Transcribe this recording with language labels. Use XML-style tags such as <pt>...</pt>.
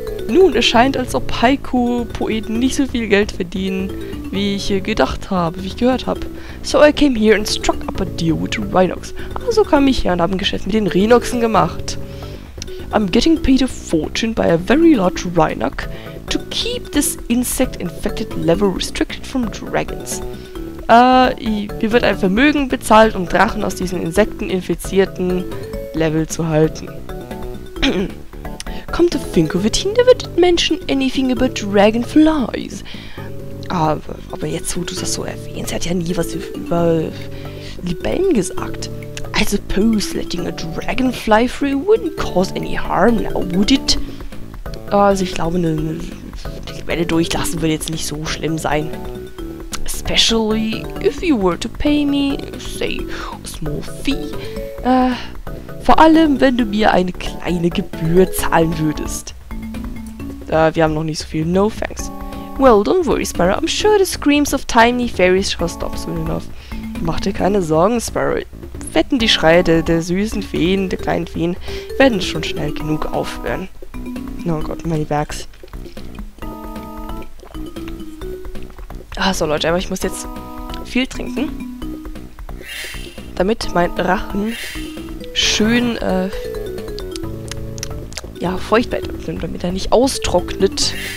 <de>Nun, es scheint, als ob Haiku-Poeten nicht so viel Geld verdienen, wie ich gedacht habe, wie ich gehört habe.</de> <en>So I came here and struck up a deal with Rhinox.</en> <de>Also kam ich her und habe ein Geschäft mit den Rhinoxen gemacht.</de> <en>I'm getting paid a fortune by a very large Rhinox to keep this insect-infected level restricted from dragons.</en> <de>Mir wird ein Vermögen bezahlt, um Drachen aus diesen insekteninfizierten Level zu halten.</de> <en>Come to think of it, he never did mention anything about dragonflies.</en> <de>Aber jetzt, wo du das so erwähnst, hat ja nie was über Libellen gesagt.</de> <en>I suppose letting a dragonfly free wouldn't cause any harm now, would it?</en> <de>Also ich glaube, eine Libelle durchlassen würde jetzt nicht so schlimm sein.</de> <en>Especially if you were to pay me, say, a small fee.</en> <de>Vor allem, wenn du mir eine kleine Gebühr zahlen würdest. Wir haben noch nicht so viel.</de> <en>No thanks. Well, don't worry, Sparrow. I'm sure the screams of tiny fairies shall stop soon enough.</en> <de>Mach dir keine Sorgen, Sparrow. Wetten, die Schreie der süßen Feen, der kleinen Feen, werden schon schnell genug aufhören. Oh Gott, meine Bags. Achso, Leute, aber ich muss jetzt viel trinken. Damit mein Rachen schön, feucht bleibt, damit er nicht austrocknet.</de>